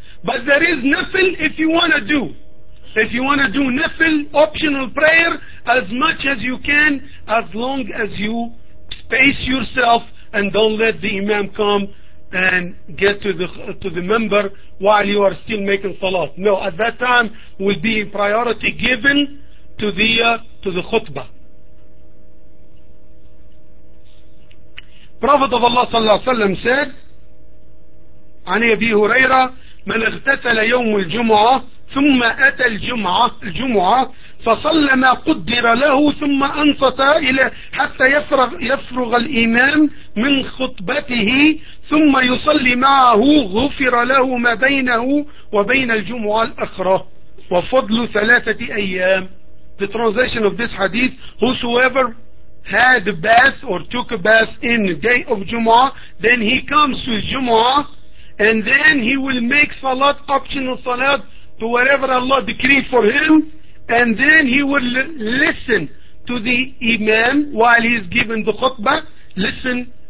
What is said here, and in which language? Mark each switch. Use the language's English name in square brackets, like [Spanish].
[English] But there is nafil if you want to do. If you want to do nafil, optional prayer, as much as you can, as long as you space yourself and don't let the imam come and get to the member while you are still making salat. No, at that time will be priority given to the khutbah. Prophet of Allah [Arabic] صلى الله عليه وسلم said عن أبي هريرة من اغتسل يوم الجمعة ثم أتى الجمعة فصلى ما قدر له ثم أنصت إلى حتى يفرغ الإمام من خطبته ثم يصلي معه غفر له ما بينه وبين الجمعة الأخرى وفضل ثلاثة أيام. [English] The translation of this hadith, whosoever had a bath or took a bath in the day of Jumu'ah, then he comes to Jumu'ah and then he will make salat, optional salat, to whatever Allah decreed for him, and then he will listen to the imam while he is giving the khutbah, listen